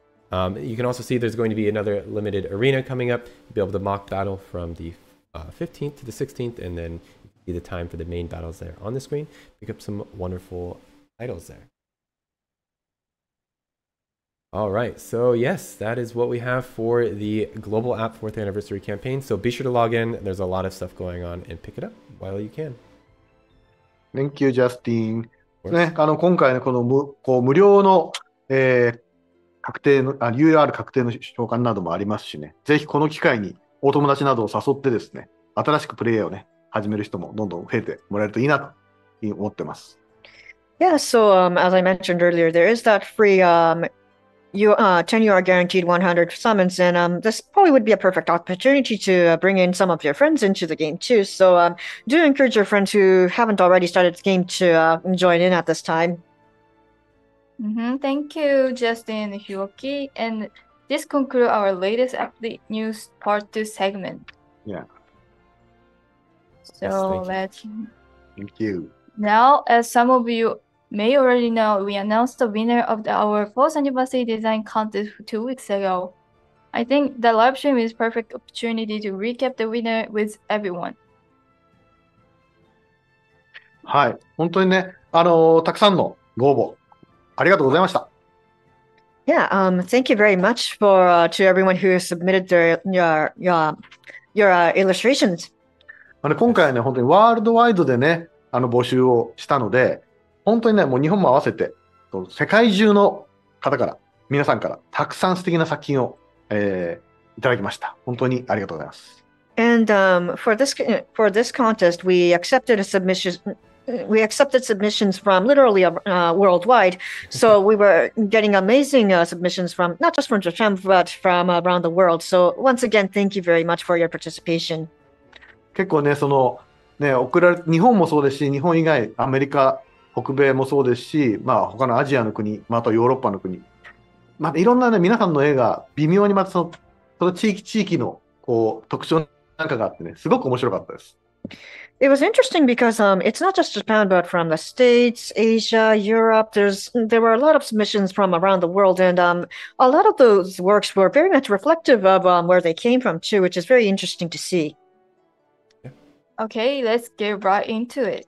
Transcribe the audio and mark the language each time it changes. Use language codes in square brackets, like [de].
[en] You can also see there's going to be another limited arena coming up. You'll be able to mock battle from the 15th to the 16th, and then you can see the time for the main battles there on the screen. Pick up some wonderful titles there. All right, so yes, that is what we have for the Global App 4th Anniversary campaign. So be sure to log in. There's a lot of stuff going on, and pick it up while you can. Thank you, Justin. [ja] ね、今回のこの無料の、確定の、UR 確定の召喚などもありますしね。ぜひこの機会にお友達などを誘ってですね、新しくプレイヤーをね、始める人もどんどん増えてもらえるといいなと思ってます。 [en] Yeah, so as I mentioned earlier, there is that free 10UR guaranteed 100 summons, and this probably would be a perfect opportunity to bring in some of your friends into the game too. So do encourage your friends who haven't already started the game to join in at this time. Mm-hmm. Thank you, Justin, Hiroki, and... This concludes our latest update news part 2 segment. Yeah. So Thank you. Now, as some of you may already know, we announced the winner of our 4th anniversary design contest 2 weeks ago. I think the live stream is a perfect opportunity to recap the winner with everyone. [ja] はい、本当にね、たくさんのご応募ありがとうございました。 [en] Yeah, thank you very much for to everyone who submitted their your illustrations. [ja] 今回ね、本当にワールドワイドでね、募集をしたので、本当にね、もう日本も合わせて、世界中の方から、皆さんから、たくさん素敵な作品を、いただきました。本当にありがとうございます。 [en] And for this contest, we accepted a submission, we accepted submissions from literally worldwide. So we were getting amazing submissions from not just from Japan, but from around the world. So once again, thank you very much for your participation. [ja] 結構ね、その、ね、送られ、日本もそうですし、日本以外、アメリカ、北米もそうですし、まあ他のアジアの国、まあ、あとヨーロッパの国、まあ、いろんな、ね、皆さんの絵が微妙にまたその地域地域のこう特徴なんかがあってね、すごく面白かったです。 [en] It was interesting because it's not just Japan, but from the States, Asia, Europe, there were a lot of submissions from around the world, and a lot of those works were very much reflective of where they came from too, which is very interesting to see. Okay, let's get right into it.